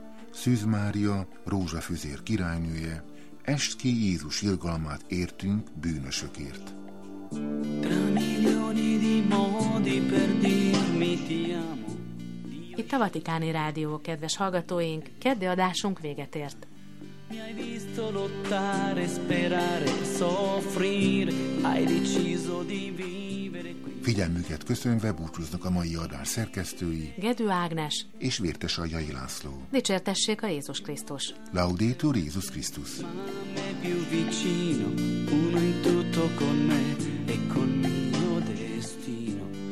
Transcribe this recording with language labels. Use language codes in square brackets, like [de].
[hu] Szűz Mária, rózsafüzér királynője, est ki Jézus irgalmát értünk bűnösökért. [it] Tra milioni di modi per dirmi ti amo. [hu] Itt a Vatikáni Rádió, kedves hallgatóink, keddi adásunk véget ért. [it] Mi hai visto lottare, sperare, soffrire, hai deciso di vivere qui. [hu] Figyelmüket köszönve búcsúznak a mai adás szerkesztői Gedő Ágnes és Vértes Ajai László. Dicsértessék a Jézus Krisztus! Laudetur Jézus Krisztus! [it] Me più vicino, uno in tutto con me e con mio destino.